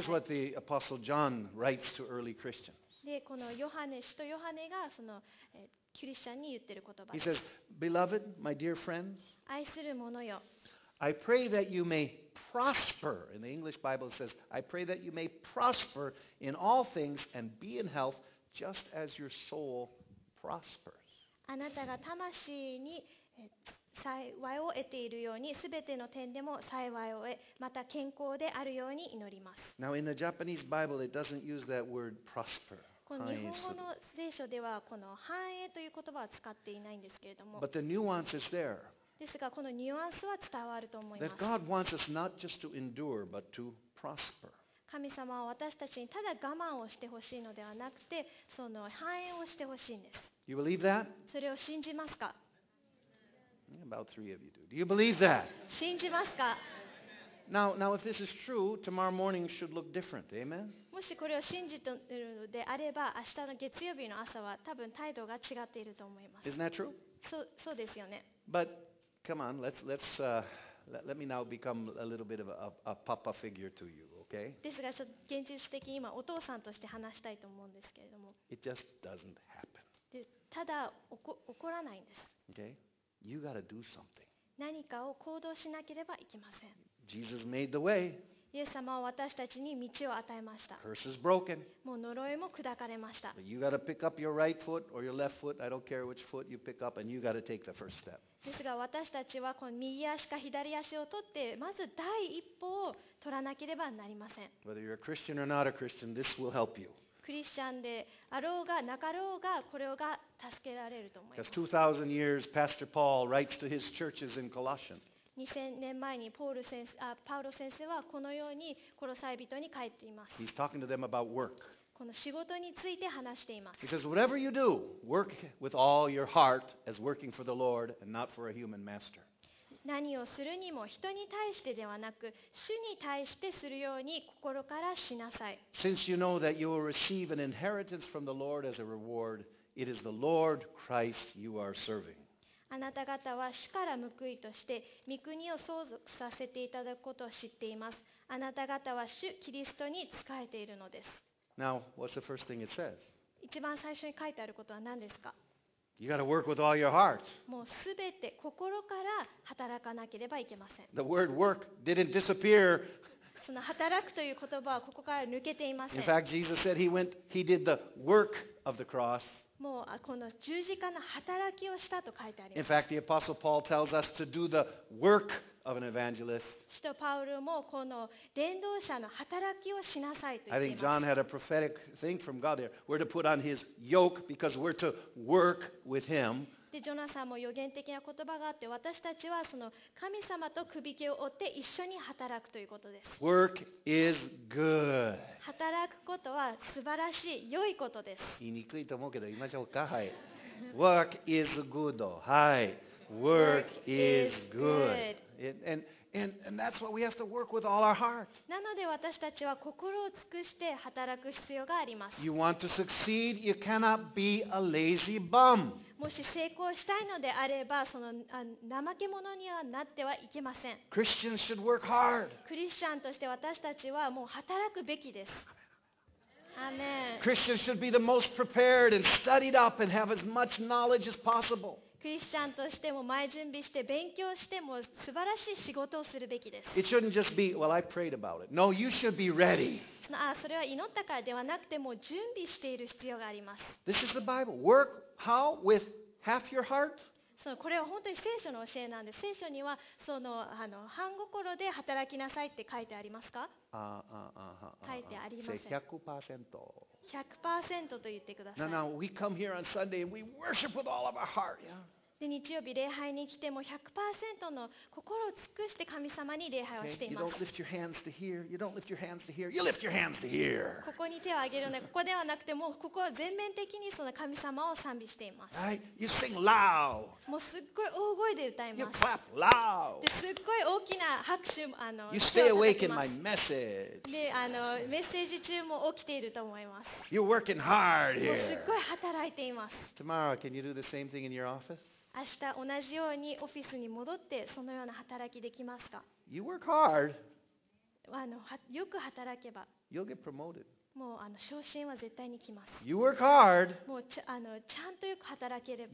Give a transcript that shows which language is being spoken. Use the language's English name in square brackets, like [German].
[English] Here's what the Apostle John writes to early Christians. [Japanese] で、このヨハネ、使徒ヨハネがそのキリシャンに言ってる言葉です [English] 。He says, "Beloved, my dear friends." [Japanese] 愛する者よ。 [English] I pray that you may prosper. In the English Bible it says, I pray that you may prosper in all things and be in health just as your soul prospers. [Japanese] あなたが魂に幸いを得ているように、すべての点でも幸いを得、また健康であるように祈ります。 [English] Now in the Japanese Bible it doesn't use that word prosper. [Japanese] この日本語の聖書ではこの繁栄という言葉は使っていないんですけれども。 [English] But the nuance is there. [Japanese] ですがこのニュアンスは伝わると思います。 [English] That God wants us not just to endure, but to prosper. [Japanese] 神様は私たちにただ我慢をしてほしいのではなくて、その繁栄をしてほしいんです。 [English] You believe that? [Japanese] それを信じますか? [English] About three of you do. Do you believe that? [Japanese] 信じますか? [English] Now, if this is true, tomorrow morning should look different. Amen? [Japanese] もしこれを信じているのであれば、明日の月曜日の朝は多分態度が違っていると思います。 [English] Isn't that true? [Japanese] そうですよね。 [English] But, come on, let me now become a little bit of a papa figure to you, okay? [Japanese] ですが、現実的に今、お父さんとして話したいと思うんですけれども。 [English] It just doesn't happen. [Japanese] でただ、起こらないんです。 [English] Okay? You gotta do something. [Japanese] 何かを行動しなければいけません。 [English] Jesus made the way. [Japanese] イエス様は私たちに道を与えました。 [English] Curse is broken. [Japanese] もう呪いも砕かれました。 [English] But you gotta pick up your right foot or your left foot. I don't care which foot you pick up, and you gotta take the first step. [Japanese] ですが私たちはこの右足か左足を取ってまず第一歩を取らなければなりません。 [English] Whether you're a Christian or not a Christian, this will help you. [Japanese] クリスチャンであろうがなかろうがこれが助けられると思います。 [English] Because 2,000 years, Pastor Paul writes to his churches in Colossians. [Japanese] 2000年前にパウロ先生はこのようにコロサイ人に書いています。 [English] He's talking to them about work. [Japanese] この仕事について話しています。 [English] He says, whatever you do, work with all your heart as working for the Lord and not for a human master. [Japanese] 何をするにも人に対してではなく、主に対してするように心からしなさい。 [English] Since you know that you will receive an inheritance from the Lord as a reward, it is the Lord Christ you are serving. [Japanese] あなた方は主から報いとして御国を相続させていただくことを知っています。あなた方は主キリストに仕えているのです。 [English] Now, what's the first thing it says? [Japanese] 一番最初に書いてあることは何ですか? [English] You gotta work with all your heart. [Japanese] もうすべて心から働かなければいけません。 [English] The word work didn't disappear. [Japanese] その働くという言葉はここから抜けていません。 [English] In fact, Jesus said he did the work of the cross. [Japanese] もうこの十字架の働きをしたと書いてあります。 [English] In fact, the Apostle Paul tells us to do the work of an evangelist. [Japanese] 使徒パウロもこの伝道者の働きをしなさいと言っています。 [English] I think John had a prophetic thing from God there. We're to put on his yoke because we're to work with him. [Japanese] でジョナサンも予言的な言葉があって、私たちはその神様と首輝を追って一緒に働くということです。 [English] Work is good. [Japanese] 働くことは素晴らしい、良いことです。言いにくいと思うけど言いましょうか。 [English] はい。Work is good. はい。Work is good. And that's what we have to work with all our heart. [Japanese] なので私たちは心を尽くして働く必要があります。 [English] You want to succeed, you cannot be a lazy bum. [Japanese] もし成功したいのであれば、その怠け者にはなってはいけません。 [English] Christians should work hard. [Japanese] クリスチャンとして私たちはもう働くべきです。アーメン。 [English] Christians should be the most prepared and studied up and have as much knowledge as possible. [Japanese] クリスチャンとしても前準備して勉強しても素晴らしい仕事をするべきです。 [English] It shouldn't just be, well, I prayed about it. No, you should be ready. [Japanese] ああそれは祈ったからではなくても準備している必要があります。 [English] This is the Bible. Work how? With half your heart? [Japanese] そのこれは本当に聖書の教えなんです。聖書にはその半心で働きなさいって書いてありますか？書いてありません。 100%。 100% と言ってください。 [English] Now, we come here on Sunday and we worship with all of our heart, yeah? [Japanese] で日曜日礼拝に来ても 100% の心を尽くして神様に礼拝をしています。 [English] You don't lift your hands to here. You don't lift your hands to here. You lift your hands to here. [Japanese] ここに手を挙げるね。ここではなくて、もうここは全面的にその神様を賛美しています。 [English] Right? You sing loud. [Japanese] もうすっごい大声で歌います。 [English] You clap loud. [Japanese] で、すっごい大きな拍手も [English] You stay awake in my message. [Japanese] で、メッセージ中も起きていると思います。 [English] You're working hard here. [Japanese] もうすっごい働いています。 [English] Tomorrow, can you do the same thing in your office? [Japanese] 明日同じようにオフィスに戻ってそのような働きできますか? [English] You work hard. [Japanese] よく働けば。 [English] You'll get promoted. [Japanese] もう昇進は絶対に来ます。 [English] You work hard. [Japanese] もうちゃんとよく働ければ。